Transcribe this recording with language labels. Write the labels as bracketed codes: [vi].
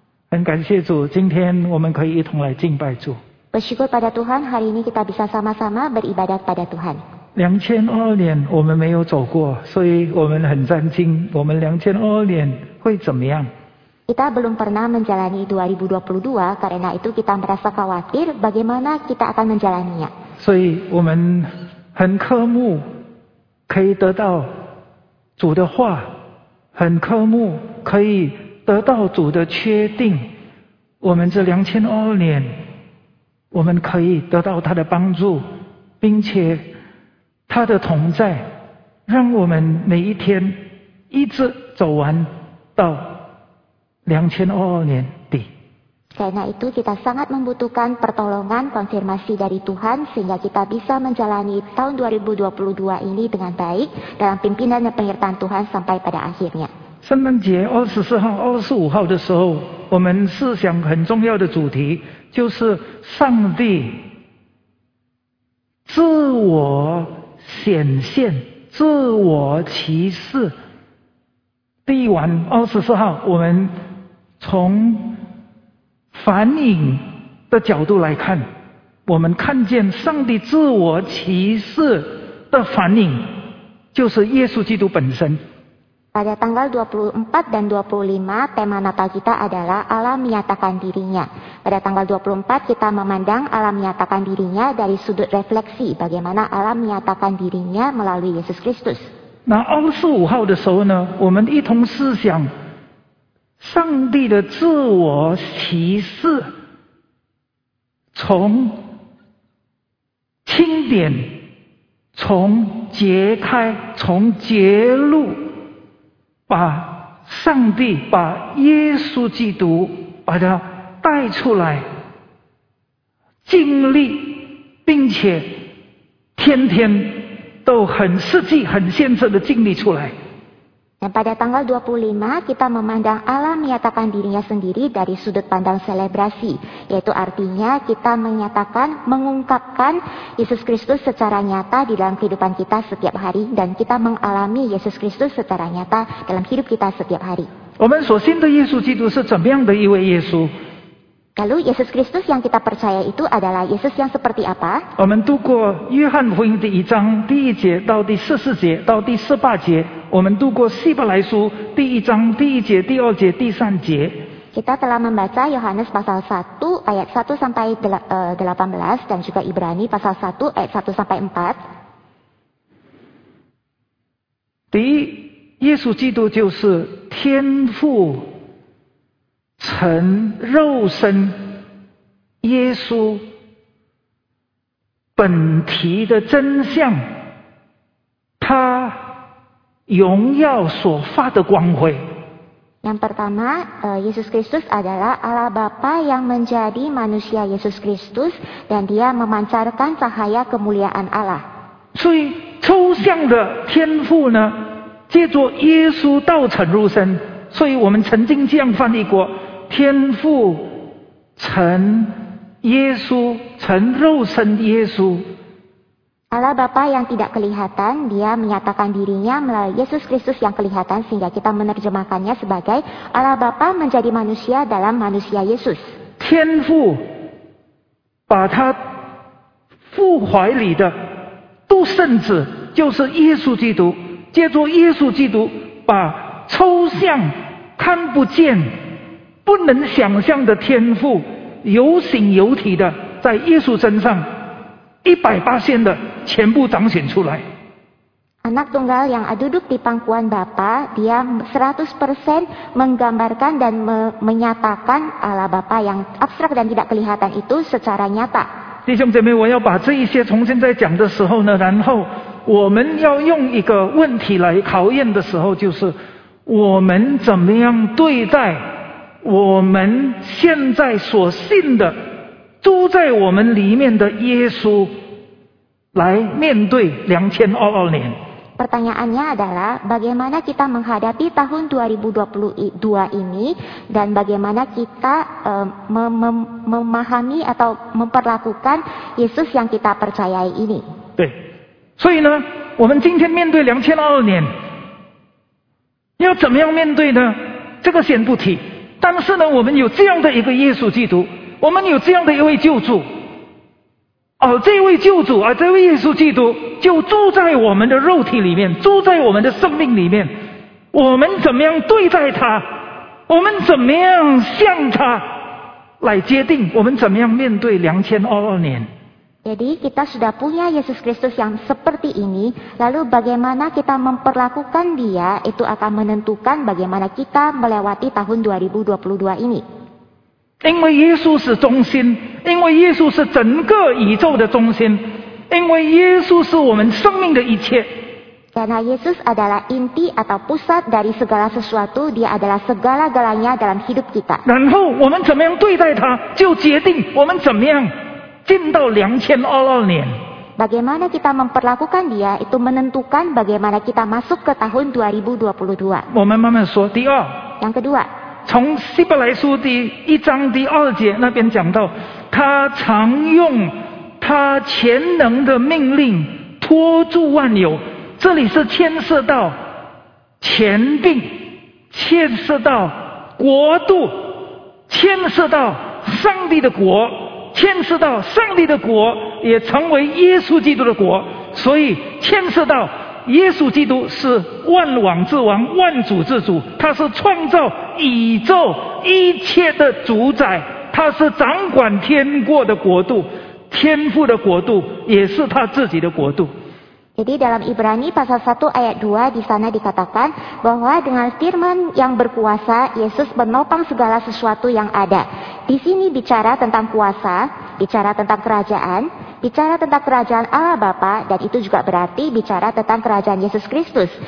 [zh] 很感谢主，今天我们可以一同来敬拜主。 [id] Bersyukur pada Tuhan, hari ini kita bisa sama-sama beribadat pada Tuhan。 [zh] 2002年我们没有走过，所以我们很震惊，我们2002年会怎么样？ [id] Kita belum pernah menjalani 2022, karena itu kita merasa khawatir bagaimana kita akan menjalaninya。 [zh] 所以我们很渴慕可以得到主的话，很渴慕可以得到主的确定，我们这2002年我们可以得到他的帮助，并且他的同在，让我们每一天一直走完到2022年底。 [id] Karena itu kita sangat membutuhkan pertolongan konfirmasi dari Tuhan sehingga kita bisa menjalani tahun 2022 ini dengan baik dalam pimpinan dan penyertaan Tuhan sampai pada akhirnya。 [zh] 圣诞节24号、25号的时候，我们思想很重要的主题就是上帝自我显现、自我启示。第一晚24号，我们从反影的角度来看，我们看见上帝自我启示的反影，就是耶稣基督本身。 [id] Pada tanggal 24 dan 25, tema Natal kita adalah Allah menyatakan dirinya. Pada tanggal 24, kita memandang Allah menyatakan dirinya dari sudut refleksi, bagaimana Allah menyatakan dirinya melalui Yesus Kristus. [zh] Nah, 25号的时候呢，我们一同思想上帝的自我启示，从清点，从揭开，从揭露，把上帝、把耶稣基督把他带出来，经历，并且天天都很实际、很现实的经历出来。 [id] Dan pada tanggal 25, kita memandang Allah menyatakan dirinya sendiri dari sudut pandang selebrasi, yaitu artinya kita menyatakan, mengungkapkan Yesus Kristus secara nyata di dalam kehidupan kita setiap hari, dan kita mengalami Yesus Kristus secara nyata dalam hidup kita setiap hari. [zh] 我们所信的耶稣基督是怎么样的一位耶稣？ [id] Lalu Yesus Kristus yang kita percaya itu adalah Yesus yang seperti apa? [zh] 我们读过约翰福音第一章第一节到第十四节到第十八节，我们读过希伯来书第一章第一节第二节第三节。 [id] Kita telah membaca Yohanes pasal 1 ayat 1 sampai 18 dan juga Ibrani pasal 1 ayat 1 sampai 4。 [zh] 第一，耶稣基督就是天父成肉身，耶稣本体的真相，他荣耀所发的光辉。 [id] Yang pertama, Yesus Kristus adalah Allah Bapa yang menjadi manusia Yesus Kristus, dan dia memancarkan cahaya kemuliaan Allah. [zh] 所以抽象的天父呢，借着耶稣道成肉身，所以我们曾经这样翻译过，天父成耶稣，成肉身耶稣。 [id] Allah Bapa yang tidak kelihatan, dia menyatakan dirinya melalui Yesus Kristus yang kelihatan, sehingga kita menerjemahkannya sebagai Allah Bapa menjadi manusia dalam manusia Yesus. [zh] 天父把他父怀里的独生子，就是耶稣基督，借着耶稣基督把抽象看不见不能想象的天父有形有体的在耶稣身上180%的全部彰显出来。 [id] Anak tunggal yang duduk di pangkuan Bapa, dia 100% menggambarkan dan menyatakan Allah Bapa yang abstrak dan tidak kelihatan itu secara nyata。 [zh] 弟兄姐妹，我要把这一些从现在讲的时候呢，然后我们要用一个问题来考验的时候，就是我们怎么样对待我们现在所信的住在我们里面的耶稣，来面对2022年。 [id] Pertanyaannya adalah bagaimana kita menghadapi tahun 2022 ini dan bagaimana kita memahami atau memperlakukan Yesus yang kita percayai ini。 [zh] 对，所以呢，我们今天面对2022年，要怎么样面对呢？这个先不提。但是呢，我们有这样的一个耶稣基督，我们有这样的一位救主，这位救主啊，这位耶稣基督就住在我们的肉体里面，住在我们的生命里面。我们怎么样对待他，我们怎么样向他来接定，我们怎么样面对2022年。 [id] Jadi kita sudah punya Yesus Kristus yang seperti ini, lalu bagaimana kita memperlakukan dia itu akan menentukan bagaimana kita melewati tahun 2022 ini. [zh] 因为耶稣是中心，因为耶稣是整个宇宙的中心，因为耶稣是我们生命的一切。 [id] Karena Yesus adalah inti atau pusat dari segala sesuatu, dia adalah segala-galanya dalam hidup kita. [zh] 然后我们怎么样对待他，就决定我们怎么样进到2022年。 [id] Bagaimana kita memperlakukan dia itu menentukan bagaimana kita masuk ke tahun 2022. [zh] 我们慢慢说。第二。 [id] Yang kedua. [zh] 从希伯来书第一章第二节那边讲到，他常用他全能的命令托住万有。这里是牵涉到权柄，牵涉到国度，牵涉到上帝的国。牵涉到上帝的国也成为耶稣基督的国，所以牵涉到耶稣基督是万王之王，万主之主，他是创造宇宙一切的主宰，他是掌管天国的国度，天父的国度，也是他自己的国度。 [id] Jadi dalam Ibrani pasal 1 ayat 2 di sana dikatakan bahwa dengan firman yang berkuasa Yesus menopang segala sesuatu yang ada. Di sini bicara tentang kuasa, bicara tentang kerajaan, bicara tentang kerajaan Allah Bapa, dan itu juga berarti bicara tentang kerajaan Yesus Kristus.